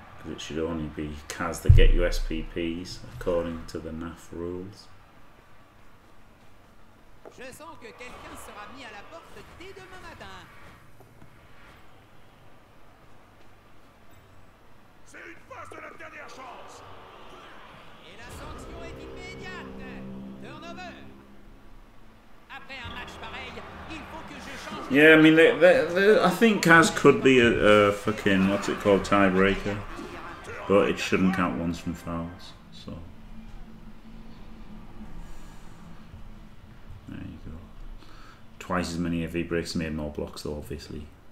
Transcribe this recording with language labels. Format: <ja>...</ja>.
<en>It should only be Kaz that get you SPPs, according to the NAF rules.</en> <fr>Je sens que quelqu'un sera mis à la porte dès demain matin. C'est une phase de la dernière chance. Et la sanction est immédiate. Turnover. Après un match pareil, il faut que je change.</fr> <en>Yeah, I mean, I think Kaz could be a fucking, what's it called, tiebreaker. But it shouldn't count ones from fouls, so. There you go. Twice as many of he breaks, made more blocks though, obviously.</en>